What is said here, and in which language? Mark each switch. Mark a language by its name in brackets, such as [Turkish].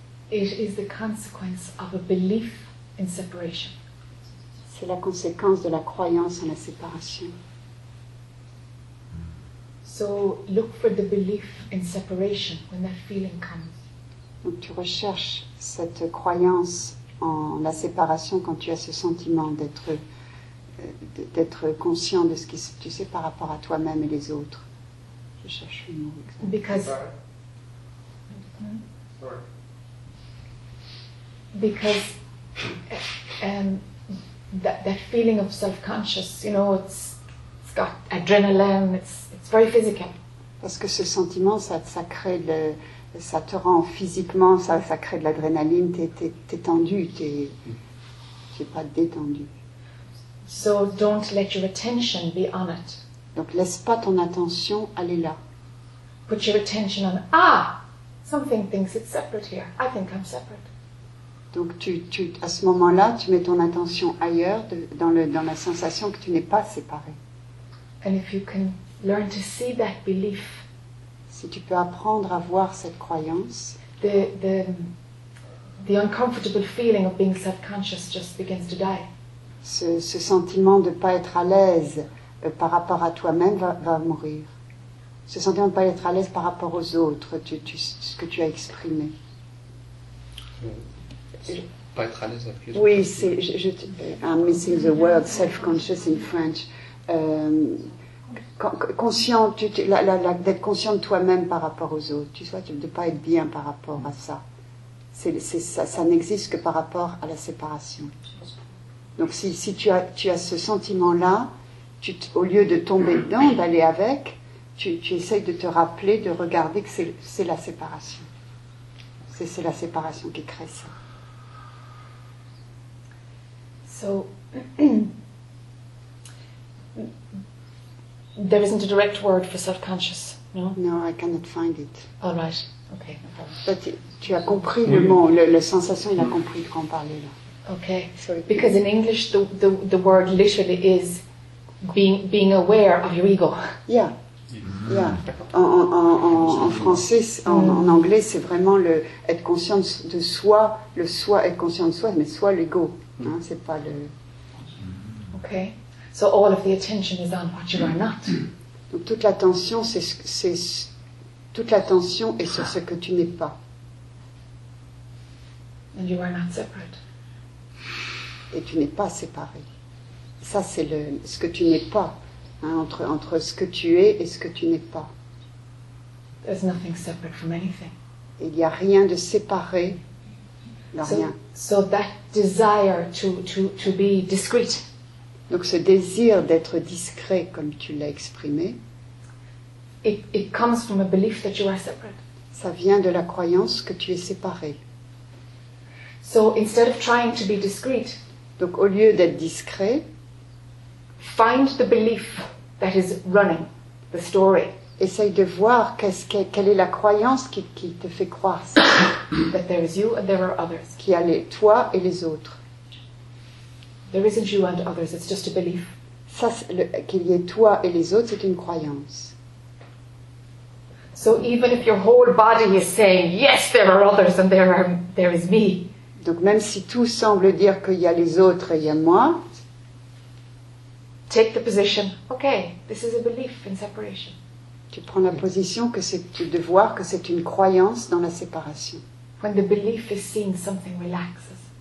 [English] It is the consequence of a belief in separation. [French] C'est la conséquence de la croyance en la séparation. [English] So look for the belief in separation when that feeling comes. [French] Donc tu recherches cette croyance en la séparation quand tu as ce sentiment d'être conscient de ce que tu sais par rapport à toi-même et les autres. Je cherche le mot exact. [English] Because. Because that feeling of self-conscious, you know, it's got adrenaline. It's very physical. [French] Parce que ce sentiment, ça crée le, ça te rend physiquement, ça crée de l'adrénaline. T'es tendu, t'es pas détendu. [English] So don't let your attention be on it. [French] Donc laisse pas ton attention aller là. [English] Put your attention on, ah, something thinks it's separate here. I think I'm separate. [French] Donc tu à ce moment-là, tu mets ton attention ailleurs dans la sensation que tu n'es pas séparé. [English] And if you can learn to see that belief, [French] si tu peux apprendre à voir cette croyance, [English] the uncomfortable feeling of being self-conscious just begins to die. [French] Ce sentiment de ne pas être à l'aise par rapport à toi-même va mourir. Ce sentiment de ne pas être à l'aise par rapport aux autres, ce que tu as exprimé. Pas être à l'aise avec les autres. Oui, c'est, [English] I'm missing the word self-conscious in French. [French] D'être conscient de toi-même par rapport aux autres, tu vois, de ne pas être bien par rapport à ça. Ça n'existe que par rapport à la séparation. Donc si tu as ce sentiment-là, au lieu de tomber dedans, d'aller avec, tu essayes de te rappeler, de regarder que c'est la séparation. C'est la séparation qui crée ça. [English] So, there isn't a direct word for self-conscious, no? No, I cannot find it. All right, okay. But [French] tu as compris le mot, la sensation, il a compris de quoi on parlait là. [English] Okay, sorry. Because in English, the word literally is being aware of your ego. Yeah, yeah. [French] En français, en anglais, c'est vraiment le être conscient de soi, le soi être conscient de soi, mais soi l'ego. Hein, c'est pas le. [English] Okay, so all of the attention is on what you are not. [French] Donc toute l'attention, c'est toute l'attention est sur ce que tu n'es pas. [English] And you are not separate. [French] Et tu n'es pas séparé. Ça, c'est ce que tu n'es pas, hein, entre ce que tu es et ce que tu n'es pas. [English] There's nothing separate from anything. [French] Il n'y a rien de séparé dans rien. [English] So that desire to be discreet. [French] Donc ce désir d'être discret, comme tu l'as exprimé, [English] it comes from a belief that you are separate. [French] Ça vient de la croyance que tu es séparé. [English] So instead of trying to be discreet, [French] donc au lieu d'être discret, [English] find the belief that is running the story. [French] Essaye de voir quelle est la croyance qui te fait croire ça. [English] That there is you and there are others. [French] Qui a toi et les autres. [English] There isn't you and others, it's just a belief. [French] Ça, qu'il y ait toi et les autres, c'est une croyance. [English] So even if your whole body is saying, yes, there are others and there is me. [French] Donc même si tout semble dire qu'il y a les autres et il y a moi, [English] take the position. Okay, this is a belief in separation. [French] Tu prends la position que c'est de voir que c'est une croyance dans la séparation. [English] When the belief is seeing something relaxes.